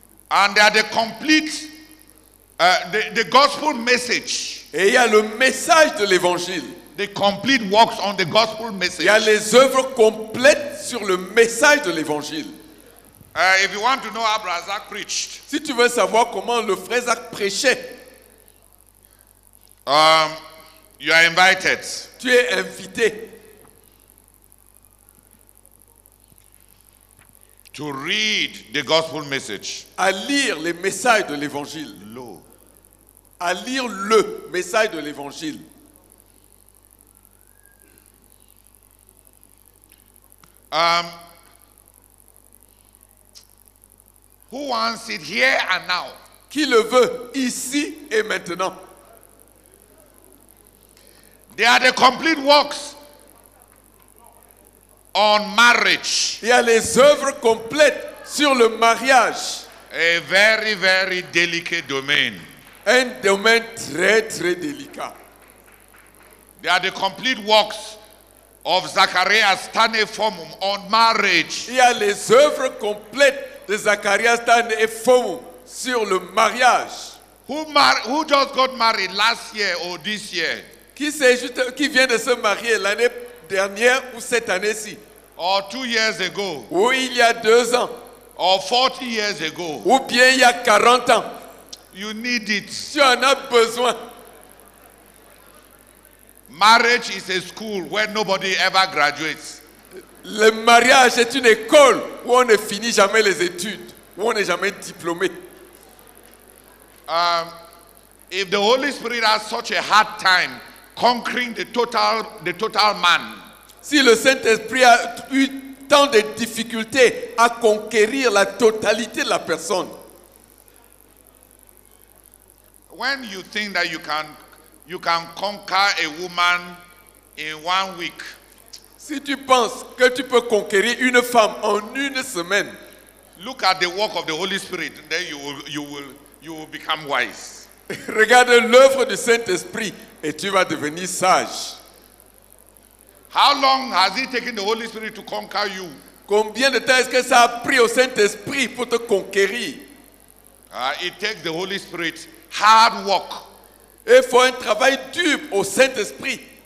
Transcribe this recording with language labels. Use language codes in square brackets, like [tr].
[en] and they are the complete the gospel message. [fr] Et il y a le message de l'évangile. [en] The complete works on the gospel message. [fr] Il y a les œuvres complètes sur le message de l'évangile. [en] If you want to know how Brother Zak preached, [fr] si tu veux savoir comment le frère Zak prêchait, [en] you are invited. [fr] Tu es invité. [en] To read the gospel message. [fr] À lire les messages de l'évangile. Lo. À lire le message de l'évangile. [en] Who wants it here and now? [fr] Qui le veut ici et maintenant? [en] They are the complete works on marriage. [fr] Il y a les œuvres complètes sur le mariage. [en] A very, very delicate domain. [fr] Un domaine très, très délicat. [en] There are the complete works of Zacharias Tane Fomum on marriage. [fr] Il y a les œuvres complètes de Zacharias Tane Fomum sur le mariage. [en] Who just got married last year or this year? [fr] Qui vient de se marier l'année dernière ou cette année-ci? [en] Or 2 years ago. [fr] Ou il y a 2 ans. [en] Or 40 years ago. [fr] Ou bien il y a 40 ans. [en] You need it. [fr] Tu en as besoin. [en] Marriage is a school where nobody ever graduates. [fr] Le mariage est une école où on ne finit jamais les études, où on n'est jamais diplômé. [en] If the Holy Spirit has such a hard time conquering the total man. [fr] Si le Saint-Esprit a eu tant de difficultés à conquérir la totalité de la personne. [en] When you think that you can conquer a woman in 1 week. [fr] Si tu penses que tu peux conquérir une femme en une semaine. [en] Look at the work of the Holy Spirit, then you will become wise. [fr] Regarde l'œuvre du Saint-Esprit et tu vas devenir sage. [en] How long has it taken the Holy Spirit to conquer you? [fr] Combien de temps est-ce que ça a pris au Saint-Esprit pour te conquérir? [en] It takes the Holy Spirit hard work. [fr] Il faut un travail dur au Saint-Esprit.